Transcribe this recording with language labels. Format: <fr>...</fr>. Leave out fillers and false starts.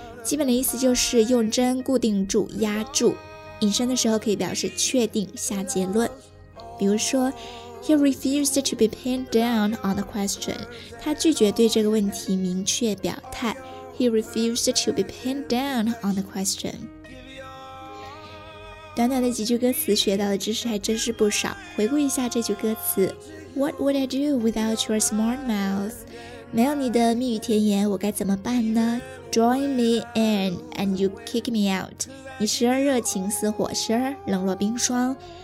<zh>基本的意思就是用针固定住、压住。引申的时候可以表示确定、下结论。比如说</zh> <en>，He refused to be pinned down on the question.</en> <zh>他拒绝对这个问题明确表态。</zh> <en>He refused to be pinned down on the question.</en> <zh>短短的几句歌词学到的知识还真是不少。回顾一下这句歌词</zh> <en>：What would I do without your smart mouth？</en> <zh>没有你的蜜语甜言，我该怎么办呢？</zh> <en>Join me in and you kick me out.</en> <zh>你时而热情似火，时而冷若冰霜。</zh>